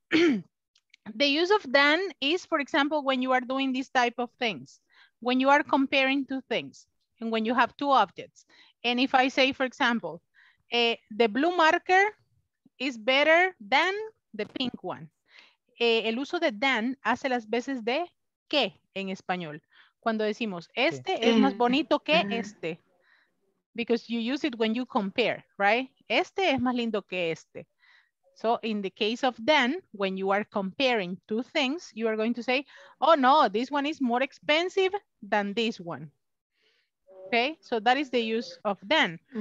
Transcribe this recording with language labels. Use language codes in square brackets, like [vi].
[en] The use of than is, for example, when you are doing these type of things, when you are comparing two things, and when you have two objects. And if I say, for example, the blue marker is better than the pink one. [es] el uso de than hace las veces de que en español. Cuando decimos este es más bonito que este. [en] Because you use it when you compare, right? [es] Este es más lindo que este. [en] So in the case of than, when you are comparing two things, you are going to say, oh no, this one is more expensive than this one. Okay, so that is the use of than.